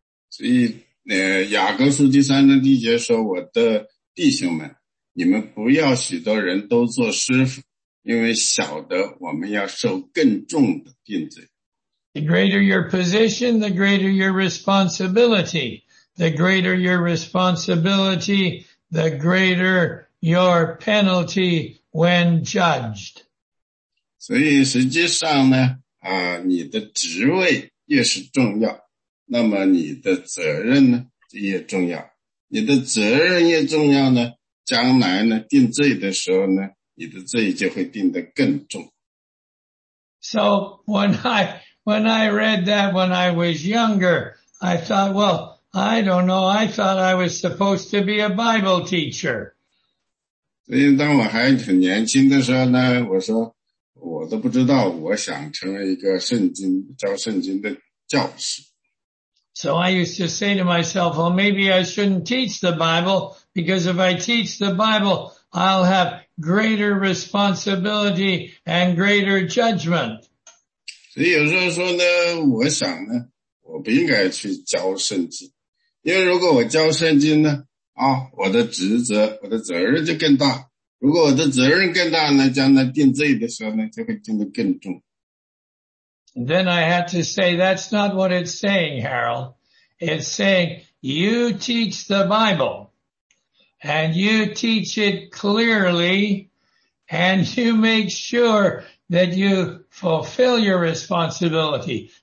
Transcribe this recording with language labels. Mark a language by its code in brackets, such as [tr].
[zh] 所以雅各书第三章第一节说，我的弟兄们，你们不要许多人都做师傅。因为晓得我们要受更重的定罪。 [en] The greater your position, the greater your responsibility. The greater your responsibility, the greater your penalty when judged. [zh] 所以实际上呢，你的职位越是重要，那么你的责任呢就越重要。你的责任越重要呢，将来呢定罪的时候呢，你的罪就会定得更重。 [en] So when I read that when I was younger, I thought, well, I don't know. I thought I was supposed to be a Bible teacher. [zh] 所以当我还很年轻的时候呢，我说我都不知道我想成为一个圣经教圣经的教师。 [en] So I used to say to myself, well, maybe I shouldn't teach the Bible, because if I teach the Bible, I'll have greater responsibility and greater judgment. [zh] 所以有时候说呢，我想呢，我不应该去教圣经，因为如果我教圣经呢，啊，我的职责，我的责任就更大。如果我的责任更大呢，将来定罪的时候呢，就会定得更重。 [en] And then I had to say, that's not what it's saying, Harold. It's saying, you teach the Bible, and you teach it clearly, and you make sure that you fulfill your responsibility.